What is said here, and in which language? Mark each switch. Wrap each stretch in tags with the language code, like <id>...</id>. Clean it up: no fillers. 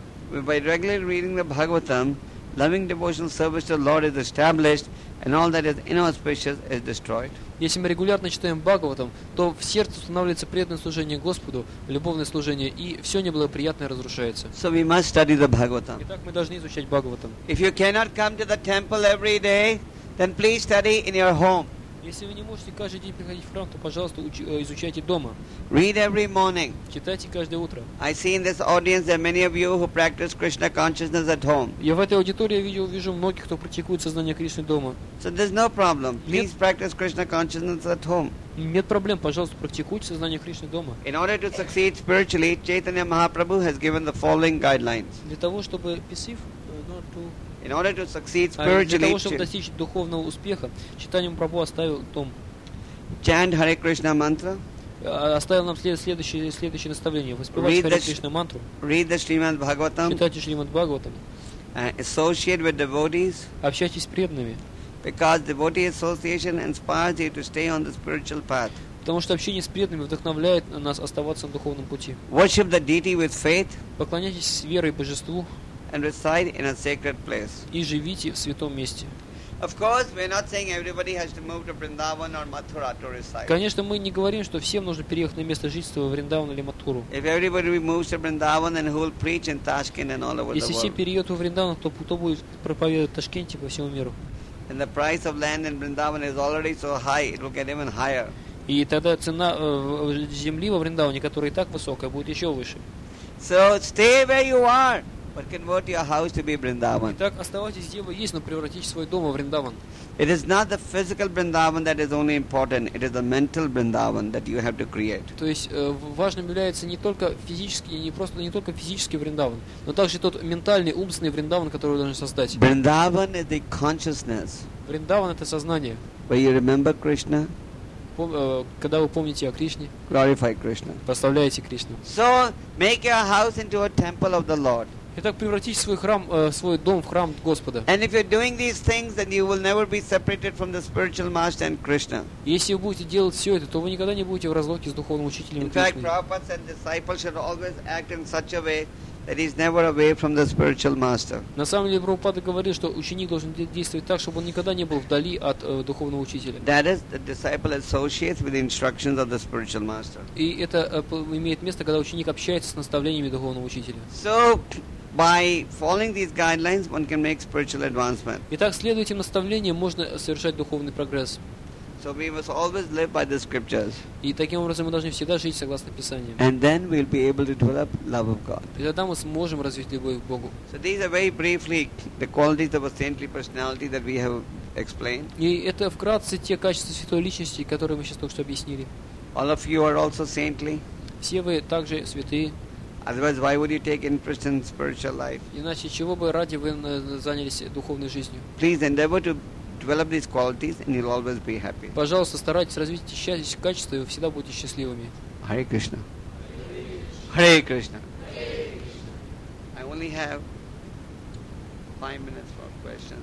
<en>By regularly reading the Bhagavatam, loving devotional service to the Lord is established, and all that is inauspicious is destroyed.</en> <ru>Если мы регулярно читаем Бхагаватам, то в сердце устанавливается преданное служение Господу, любовное служение, и все неблагоприятное разрушается.</ru> <en>So we must study the Bhagavatam.</en> <ru>Итак, мы должны изучать Бхагаватам.</ru> <en>If you cannot come to the temple every day, then please study in your home.</en> <ru>Если вы не можете каждый день приходить в храм, то, пожалуйста, изучайте дома.</ru> <en>Read every morning.</en> <ru>Читайте каждое утро.</ru> <en>I see in this audience there are many of you who practice Krishna consciousness at home.</en> <ru>Я в этой аудитории вижу многих, кто практикует сознание Кришны дома.</ru> <en>So there's no problem. Please practice Krishna consciousness at home.</en> <ru>Нет проблем, пожалуйста, практикуйте сознание Кришны дома.</ru> <en>In order to succeed spiritually, Chaitanya Mahaprabhu has given the following guidelines.</en> <ru>Для того, чтобы писив,</ru> <en>In order to succeed spiritually,</en> <ru>для того, чтобы достичь духовного успеха, Чайтанья Махапрабху оставил том.</ru> <en>Chant Hare Krishna mantra.</en> <ru>Оставил нам следующее наставление. Воспевать Hare Krishna mantra.</ru> <en>Read the Shrimad Bhagavatam.</en> <ru>Читайте Шримад Бхагаватам.</ru> <en>Associate with devotees.</en> <ru>Общайтесь с преданными.</ru> <en>Because devotee association inspires you to stay on the spiritual path.</en> <ru>Потому что общение с преданными вдохновляет нас оставаться на духовном пути.</ru> <en>Worship the deity with faith.</en> <ru>Поклоняйтесь с верой божеству.</ru> <en>And reside in a sacred place.</en> <ru>И живите в святом месте.</ru> <en>Of course, we're not saying everybody has to move to Vrindavan or Mathura to reside.</en> <ru>Конечно, мы не говорим, что всем нужно переехать на место жительства в Вриндаван или Матхуру.</ru> <en>If everybody moves to Vrindavan, then who will preach in Tashkent and all over the world?</en> <ru>Если все переедут в Вриндаван, то кто будет проповедовать в Ташкенте по всему миру?</ru> <en>And the price of land in Vrindavan is already so high; it will get even higher.</en> <ru>И тогда цена земли во Вриндаване, которая и так высокая, будет еще выше.</ru> <en>So stay where you are, but convert your house to be Vrindavan.</en> <ru>Итак, оставайтесь где вы есть, но превратите свой дом в Вриндаван.</ru> <en>It is not the physical Vrindavan that is only important. It is the mental Vrindavan that you have to create.</en> <ru>То есть важным является не только физический, не просто не только физический Вриндаван, но также тот ментальный, умственный Вриндаван, который вы должны создать.</ru> <en>Vrindavan is the consciousness.</en> <ru>Вриндаван это сознание.</ru> <en>Where you remember Krishna.</en> <ru>Когда вы помните о Кришне,</ru> <en>glorify Krishna.</en> <ru>Прославляйте Кришну.</ru> <en>So make your house into a temple of the Lord.</en> <ru>Итак, превратите свой храм, свой дом в храм Господа.</ru> <en>And if you're doing these things, then you will never be separated from the spiritual master and Krishna.</en> <ru>Если вы будете делать все это, то вы никогда не будете в разлуке с духовным учителем Кришной.</ru> <en>In fact, Prabhupada said disciples should always act in such a way that he's never away from the spiritual master.</en> <ru>На самом деле, Прабхупада говорил, что ученик должен действовать так, чтобы он никогда не был вдали от духовного учителя.</ru> <en>That is, the disciple associates with the instructions of the spiritual master.</en> <ru>И это имеет место, когда ученик общается с наставлениями духовного учителя.</ru> <en>So, by following these guidelines, one can make spiritual advancement.</en> <ru>Итак, следуя этим наставлениям, можно совершать духовный прогресс.</ru> <en>So we must always live by the scriptures.</en> <ru>И таким образом мы должны всегда жить согласно Писаниям.</ru> <en>And then we'll be able to develop love of God.</en> <ru>И тогда мы сможем развить любовь к Богу.</ru> <en>So these are very briefly the qualities of a saintly personality that we have explained.</en> <ru>И это вкратце те качества святой личности, которые мы сейчас только что объяснили.</ru> <en>All of you are also saintly.</en> <ru>Все вы также святые.</ru> <en>Otherwise, why would you take interest in spiritual life?</en> <ru>Иначе чего бы ради вы занялись духовной жизнью?</ru> <en>Please endeavor to develop these qualities and you'll always be happy.</en> <ru>Пожалуйста, старайтесь развить эти счастливые качества, и вы всегда будете счастливыми.</ru> <en>Hare Krishna. Hare Krishna. I only have 5 minutes for questions.</en>